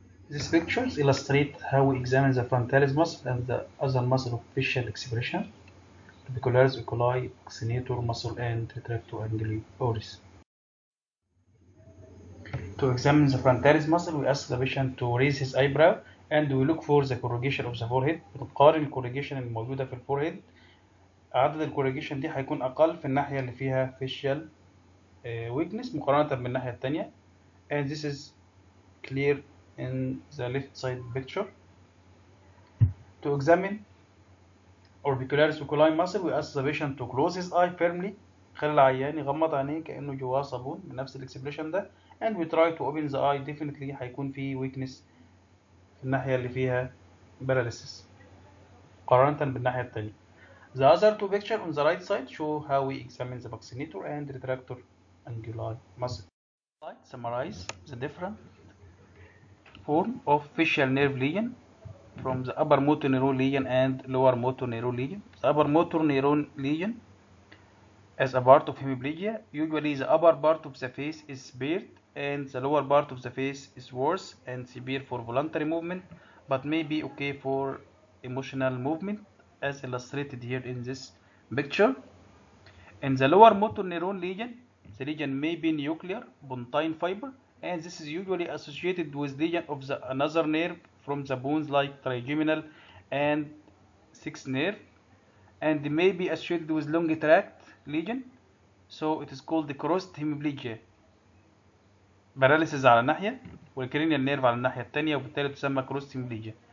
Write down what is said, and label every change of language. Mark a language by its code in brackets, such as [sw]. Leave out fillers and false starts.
[en] These pictures illustrate how we examine the frontalis muscle and the other muscle of facial expression, trabeculares, oculi, proxenator muscle, and retractoangulioris. To examine the frontalis muscle, we ask the patient to raise his eyebrow and we look for the corrugation of the forehead. [ar] نقارن الكوريجيشن الموجودة في الفورهيد. عدد الكوريجيشن دي هيكون أقل في الناحية اللي فيها [en] facial weakness [ar] مقارنة بالناحية التانية. [en] And this is clear in the left side picture. To examine orbicularis oculi muscle, we ask the patient to close his eye firmly, [ar] خلي العيان يغمض عينيه كأنه جواه صابون بنفس الاكسبريشن ده, [en] and we try to open the eye. [ar] Definitely هيكون في weakness في الناحية اللي فيها paralysis مقارنة بالناحية التانية. [en] The other two pictures on the right side show how we examine the proxenator and retractor anguli muscle. I summarize the different form of facial nerve lesion from the upper motor neuron lesion and lower motor neuron lesion. The upper motor neuron lesion as a part of hemiplegia, usually the upper part of the face is spared and the lower part of the face is worse and severe for voluntary movement, but may be okay for emotional movement as illustrated here in this picture. In the lower motor neuron region, the region may be nuclear pontine fiber, and this is usually associated with region of the another nerve from the bones like trigeminal and sixth nerve, and may be associated with long tract lesion. So it is called the crossed hemiplegia. [ar] Paralysis على ناحية والcranial nerve على الناحية الثانية وبالتالي تسمى crossed hemiplegia.